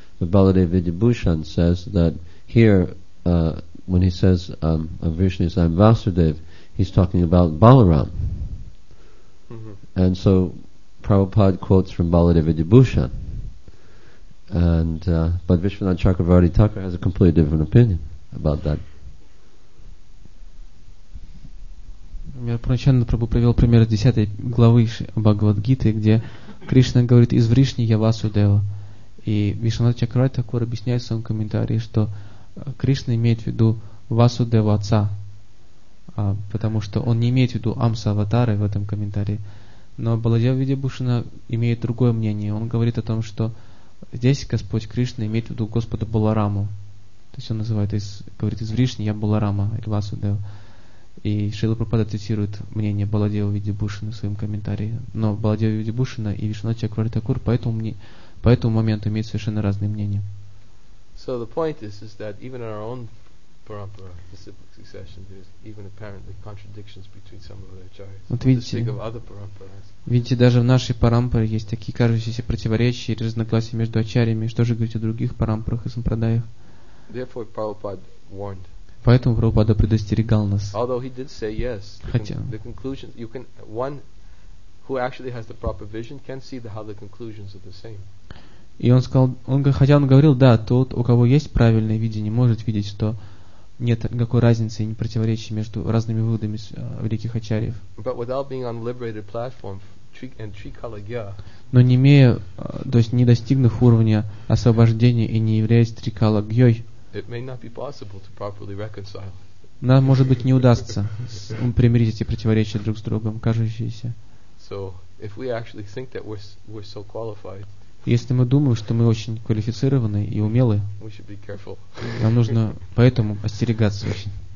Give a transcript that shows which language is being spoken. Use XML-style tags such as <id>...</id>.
<en>But Baladev Vidyabhushan says that here, when he says Vishnu is I'm Vasudev, he's talking about Balaram. Mm-hmm. And so Prabhupada quotes from Baladev Vidyabhushan, And but Vishwanath Chakravarti Thakur has a completely different opinion about that.</en> <ru>Например, Прачанда Прабху привел пример из 10 главы Бхагавад-гиты, где Кришна говорит: «Из Вришни я Васудева». И Вишванат Чакравати Такур объясняет в своем комментарии, что Кришна имеет в виду Васудева Отца, потому что он не имеет в виду Амса Аватары в этом комментарии. Но Баладева Видьябхушана имеет другое мнение. Он говорит о том, что здесь Господь Кришна имеет в виду Господа Балараму. То есть он называет, говорит: «Из Вришни я Баларама, или Васудева». И Шрила Прабхупада цитирует мнение Баладева Видьябхушана в своем комментарии. Но Баладева Видьябхушана и Вишванат Чакравати Такур по этому моменту имеют совершенно разные мнения.</ru> <en>So the point is that even in our own parampara, the cyclic succession, there's even apparently contradictions between some of the acharyas.</en> <ru>Вот видите, видите, даже в нашей парампаре есть такие кажущиеся противоречия и разногласия между ачарьями. Что же говорить о других парампарах и сампрадаях?</ru> <en>Therefore, Prabhupada warned.</en> <ru>Поэтому Прабхупада предостерегал нас.</ru> <en>Although he did say yes,</en> <ru>хотя</ru> <en>the conclusion, you can one who actually has the proper vision can see the, how the conclusions are the same.</en> <ru>И он сказал, он, хотя он говорил, да, тот, у кого есть правильное видение, может видеть, что нет никакой разницы и противоречия между разными выводами великих ачарьев.</ru> <en>But without being on liberated platform and trikalagya.</en> <ru>Но не имея, то есть не достигнув уровня освобождения и не являясь трикалагьёй,</ru> <en>it may not be possible to properly reconcile.</en> <ru>Нам, может быть, не удастся примирить эти противоречия друг с другом, кажущиеся.</ru> <en>So, if we actually think that we're so qualified,</en> <ru>если мы думаем, что мы очень квалифицированы и умелы,</ru> <en>we should be careful.</en> <ru>Нам нужно поэтому остерегаться очень.</ru>